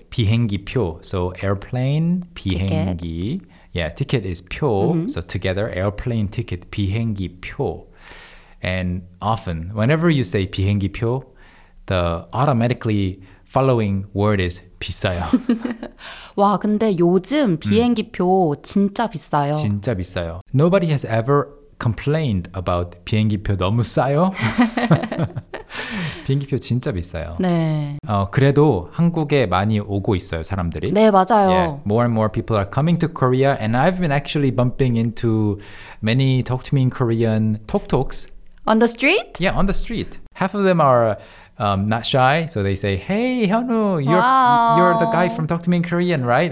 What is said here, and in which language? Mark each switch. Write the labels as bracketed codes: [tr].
[en] 비행기표. So airplane, 비행기. Ticket. Yeah, ticket is 표. Mm-hmm. So together, airplane ticket, 비행기표. And often, whenever you say 비행기표, the automatically following word is 비싸요. [ko] 와, 근데 요즘 비행기표 진짜 비싸요. 진짜 비싸요. [en] Nobody has ever complained about [ko] 비행기표 너무 싸요. 비행기표 진짜 비싸요. 네. 어, 그래도 한국에 많이 오고 있어요, 사람들이. 네, 맞아요. [en] Yeah. More and more people are coming to Korea and I've been actually bumping into many talk to me in Korean tok-toks. On the street? Yeah, on the street. Half of them are not shy, so they say, "Hey, Hyunwoo, you're the guy from Talk to Me in Korean, right?"